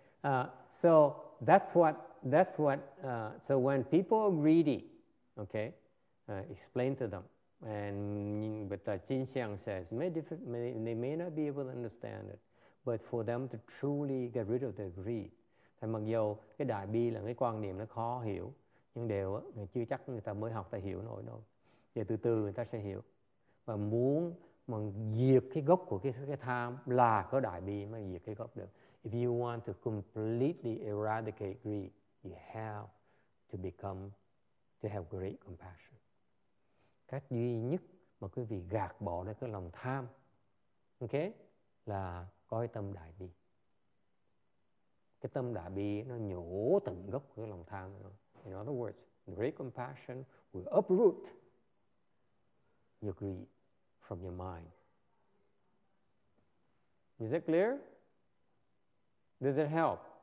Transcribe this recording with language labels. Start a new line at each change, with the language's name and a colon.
English: Okay. So that's what. So when people are greedy, okay, explain to them. But Jin Xiang says they may not be able to understand it, but for them to truly get rid of their greed,
Vietnamese: thì mặc dù cái đại bi là cái quan niệm nó khó hiểu. Nhưng đều chưa chắc người ta mới học ta hiểu nổi đâu. Giờ từ từ người ta sẽ hiểu. Và muốn mà diệt cái gốc của cái tham là có đại bi mới diệt cái gốc được.
English: If you want to completely eradicate greed, you have to become, to have great compassion.
Vietnamese: Cách duy nhất mà quý vị gạt bỏ được cái lòng tham, ok, là có cái tâm đại bi. Cái tâm đại bi nó nhổ tận gốc của cái lòng tham đó.
English: In other words, great compassion will uproot your greed from your mind. Is that clear? Does it help?